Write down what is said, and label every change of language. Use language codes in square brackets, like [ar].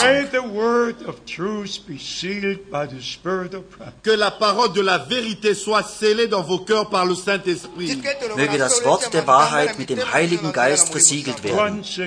[en] May the word of truth be sealed by the spirit of promise. [fr] Que la parole de la vérité soit scellée dans vos cœurs par le Saint-Esprit. [de] Möge das Wort der Wahrheit mit dem Heiligen Geist versiegelt werden.